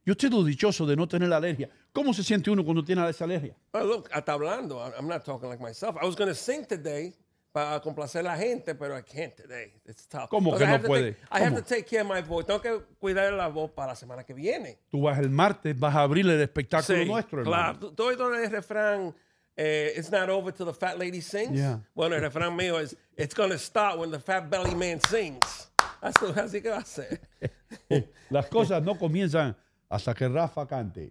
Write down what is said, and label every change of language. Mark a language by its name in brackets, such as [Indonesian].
[Spanish] Yo estoy todo dichoso de no tener la alergia. ¿Cómo se siente uno cuando tiene esa alergia? [English] Well, look, [Spanish] hasta hablando, [English] I'm not talking like myself. I was going to sing today [Spanish] para complacer a la gente, [English] pero I can't today. It's tough. [Spanish] ¿Cómo que no puede? [English] I have to take care of my voice. [Spanish] Tengo que cuidar la voz para la semana que viene. Tú vas el martes, vas a abrir el espectáculo nuestro. Sí, claro. Tú oyes donde el refrán, [English] it's not over till the fat lady sings. Yeah. [Spanish] Bueno, el refrán mío es, [English] it's going to start when the fat belly man sings. [Spanish] Así que va a ser. Las cosas no comienzan hasta que Rafa cante.